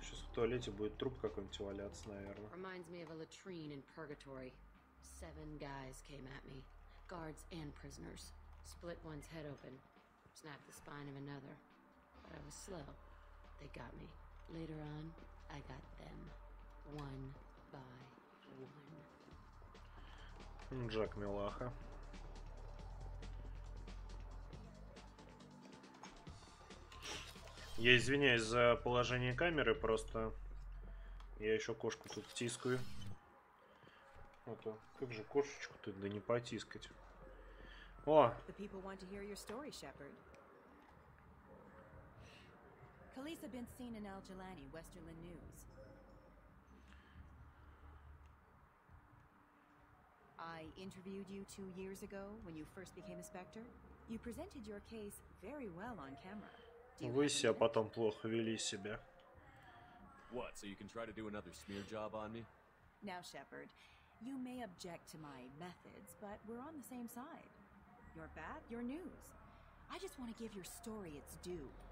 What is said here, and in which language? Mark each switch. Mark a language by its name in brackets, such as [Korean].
[Russian] В туалете будет труп какой-нибудь валяться, наверное. [English] Reminds me of a latrine in purgatory. Seven guys came at me, guards and prisoners. Split one's head open, snapped the spine of another. But I was slow. They got me. Later on, I got them, one by one. [Russian] Джек Милаха. Я извиняюсь за положение камеры, просто я еще кошку тут тискаю. Вот, а как же кошечку-то да не потискать? О! [English] The people want to hear your story, Shepard. Kalisa been seen in Al-Jalani, Westerland News. I interviewed you 2 years ago when you first became a Spectre. You presented your case very well on camera. [Russian] Вы себя потом плохо вели себя. [English] What? So you can try to do another smear job on me? Now, Shepard, you may object to my methods, but we're on the same side. You're bad, you're news. I just want to give your story its due.